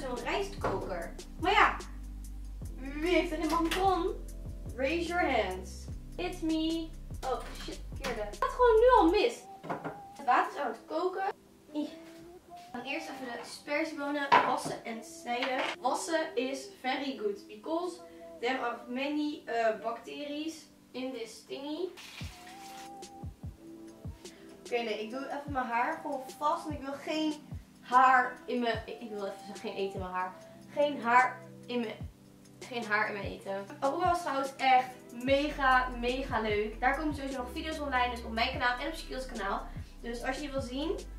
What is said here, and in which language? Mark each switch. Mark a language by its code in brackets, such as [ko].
[nl] Zo'n rijstkoker. Maar ja, wie heeft er een manton? [en] Raise your hands. It's me. [nl] Oh shit, verkeerde. Het gaat gewoon nu al mis. Het water is aan het koken. Dan eerst even de sperziebonen wassen en snijden. [en] Wassen is very good because there are many bacteries in this thingy. [nl] Oké, nee, ik doe even mijn haar gewoon vast, want ik wil geen haar in mijn... Ik wil even zeggen, geen eten in mijn haar. Geen haar in mijn eten. Aruba was trouwens echt mega leuk. Daar komen sowieso nog video's online, dus op mijn kanaal en op Skills kanaal. Dus als je die wil zien...